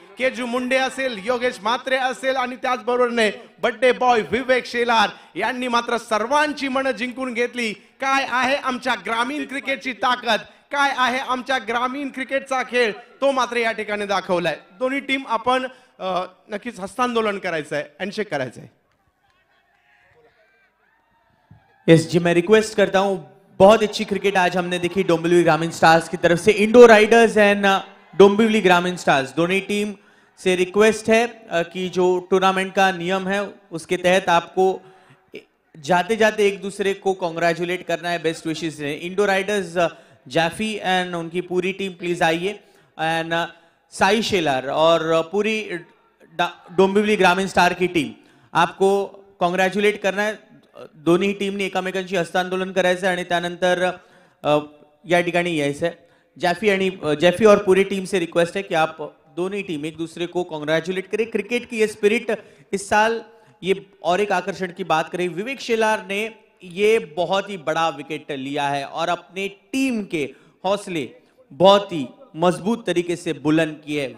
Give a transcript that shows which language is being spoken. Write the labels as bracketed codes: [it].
[mr] केजू मुंडे असेल, योगेश म्हात्रे असेल, आणि त्याचबरोबर बड्डे बॉय विवेक शेलार यांनी मात्र सर्वांची मनं जिंकून घेतली. काय आहे आमच्या ग्रामीण क्रिकेटची ताकद, काय आहे आमच्या ग्रामीण क्रिकेटचा खेळ, तो मात्र या ठिकाणी दाखवलाय. दोन्ही टीम आपण नक्कीच हस्तांदोलन करायचंय, हँडशेक करायचंय. [hi] येस जी, मैं रिक्वेस्ट करता हूं, बहुत अच्छी क्रिकेट आज हमने देखी डोंबिवली ग्रामीण स्टार्स की तरफ से. इंडो राइडर्स एंड डोंबिवली ग्रामीण स्टार्स दोनों टीम से रिक्वेस्ट है कि जो टूर्नामेंट का नियम है उसके तहत आपको जाते जाते एक दूसरे को कॉन्ग्रेचुलेट करना है, best wishes. Indo Riders जैफी and उनकी पूरी टीम प्लीज आइए, एंड साई शेलर और पूरी डोंबिवली ग्रामीण स्टार की टीम आपको कॉन्ग्रेचुलेट करना है. [mr] दोन्ही टीमने एकमेकांशी हस्तांदोलन करायचं आणि त्यानंतर या ठिकाणी यायचंय. [hi] जैफी आणि जैफी और पूरी टीम से रिक्वेस्ट है कि आप दोन्ही टीम एक दूसरे को कॉन्ग्रेचुलेट करें. क्रिकेट की ये स्पिरिट इस साल, ये और एक आकर्षण की बात करें, विवेक शेलार ने ये बहुत ही बड़ा विकेट लिया है और अपने टीम के हौसले बहुत ही मजबूत तरीके से बुलंद किए.